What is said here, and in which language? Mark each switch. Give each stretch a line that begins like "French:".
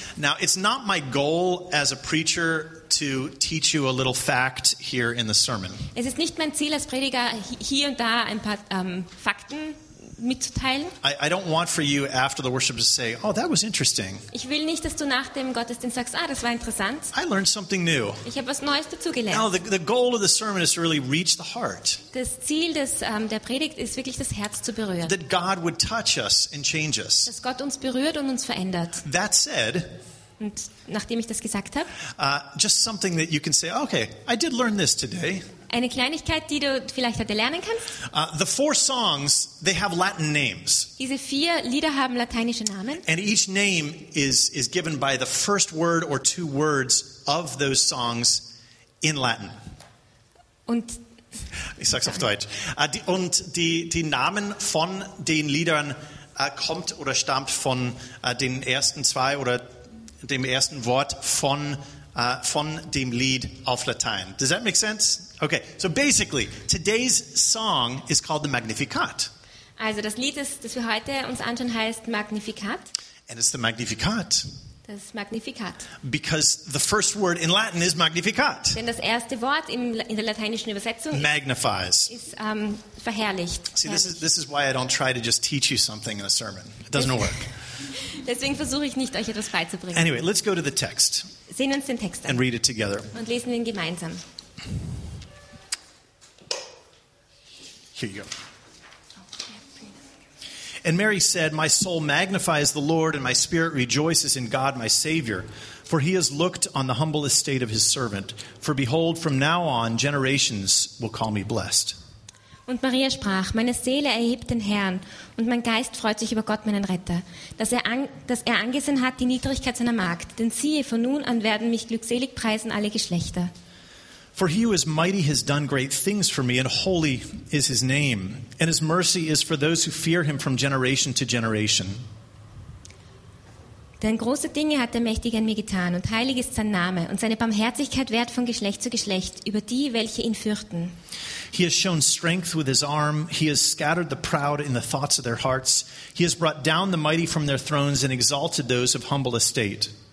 English: Now, it's not my goal as a preacher to teach you a little fact here in the sermon.
German: Es ist nicht mein Ziel als Prediger, hier und da ein paar Fakten mitzuteilen.
English: I don't want for you after the worship to say, oh, that was interesting.
German: Ich will nicht, dass du nach dem Gottesdienst sagst, ah, das war interessant.
English: I learned something new.
German: Ich habe was Neues dazugelernt.
English: No, the goal of the sermon is to really reach the heart.
German: Das Ziel der Predigt ist wirklich, das Herz zu berühren.
English: That God would touch us and change us.
German: Dass Gott uns berührt und uns verändert.
English: That said,
German: und nachdem ich das gesagt habe,
English: just something that you can say, okay, I did learn this today.
German: Eine Kleinigkeit, die du vielleicht heute lernen kannst.
English: The four songs, they have Latin names.
German: Diese vier Lieder haben lateinische Namen.
English: And each name is given by the first word or two words of those songs in Latin.
German: Und ich sag's auf Deutsch. Und die Namen von den Liedern kommt oder stammt von den ersten zwei oder dem ersten Wort von dem Lied auf Latein.
English: Does that make sense? Okay, so basically, today's song is called the Magnificat.
German: Also das Lied, das wir heute uns anschauen, heißt Magnificat.
English: And it's the Magnificat.
German: Das Magnificat.
English: Because the first word in Latin is Magnificat.
German: Denn das erste Wort in der lateinischen Übersetzung
English: magnifies.
German: Ist verherrlicht.
English: See, this is why I don't try to just teach you something in a sermon. It doesn't work.
German: Deswegen versuche ich nicht, euch etwas beizubringen.
English: Anyway, let's go to the text.
German: Sehen uns den Text an.
English: And read it together.
German: Und lesen ihn gemeinsam.
English: Here you go. And Mary said, "My soul magnifies the Lord, and my spirit rejoices in God my Savior, for he has looked on the humble estate of his servant. For behold, from now on generations will call me blessed."
German: Und Maria sprach, meine Seele erhebt den Herrn, und mein Geist freut sich über Gott, meinen Retter, dass er angesehen hat die Niedrigkeit seiner Magd. Denn siehe, von nun an werden mich glückselig preisen alle Geschlechter.
English: For he who is mighty has done great things for me, and holy is his name. And his mercy is for those who fear him from generation to generation.
German: Denn große Dinge hat der Mächtige an mir getan, und heilig ist sein Name, und seine Barmherzigkeit währt von Geschlecht zu Geschlecht über die, welche ihn fürchten.
English: He has shown strength with his arm, he has scattered the proud in the thoughts of their hearts, he has brought down the mighty from their thrones and exalted those of humble estate.